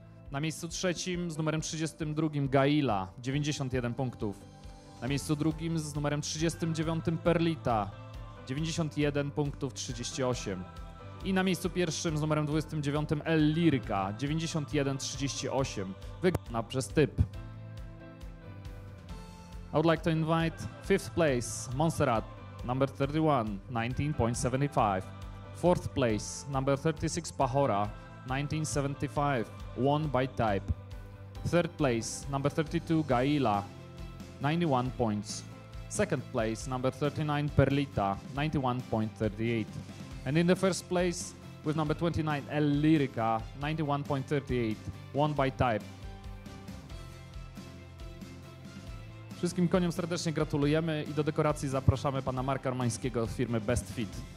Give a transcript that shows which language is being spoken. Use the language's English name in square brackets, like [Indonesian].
[Polish] Na miejscu trzecim z numerem 32, Gaila 91 punktów. Na miejscu drugim z numerem 39, Perlita 91 punktów 38. I na miejscu pierwszym z numerem 29 El Lirka 91-38, wygrana przez typ. [English] I would like to invite 5th place Montserrat, number 31, 19.75. 4th place number 36 Pachora, 19.75, won by type. 3rd place number 32 Gaila, 91 points. 2nd place number 39 Perlita, 91.38. And in the first place, with number 29, El Lirica, 91.38, won by type. [Polish] Wszystkim koniom serdecznie gratulujemy i do dekoracji zapraszamy pana Marka Armańskiego z firmy Best Fit.